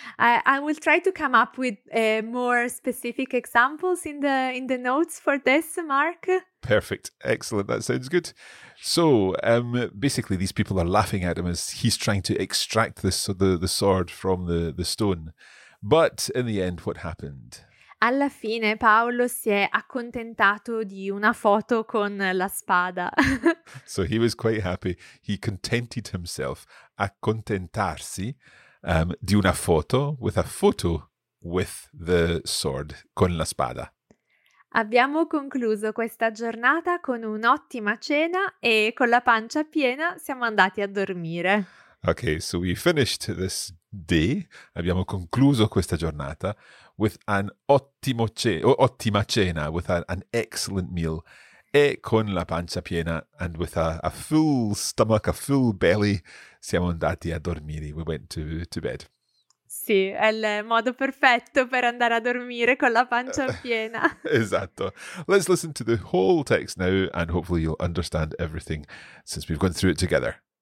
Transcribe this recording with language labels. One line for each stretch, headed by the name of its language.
English: I will try to come up with more specific examples in the notes for this, Mark. Perfect. Excellent. That sounds good. So basically these people are laughing at him as he's trying to extract the sword from the stone. But in the end, what happened?
Italian: Alla fine Paolo si è accontentato di una foto con la spada.
English: So he was quite happy. He contented himself.
Italian: Accontentarsi di una foto,
English: with a photo with the sword,
Italian: con la spada. Abbiamo concluso questa giornata con un'ottima cena e con la pancia piena siamo andati a dormire.
English: Okay, so we finished this day.
Italian: Abbiamo concluso questa giornata
English: with an ottimo ottima cena, with an excellent meal,
Italian: e con la pancia piena,
English: and with a full stomach, a full belly,
Italian: siamo andati a dormire.
English: We went to bed.
Italian: Sì, è il modo perfetto per andare a dormire con la pancia piena. Esatto.
English: Let's listen to the whole text now and hopefully you'll understand everything since we've gone through it together.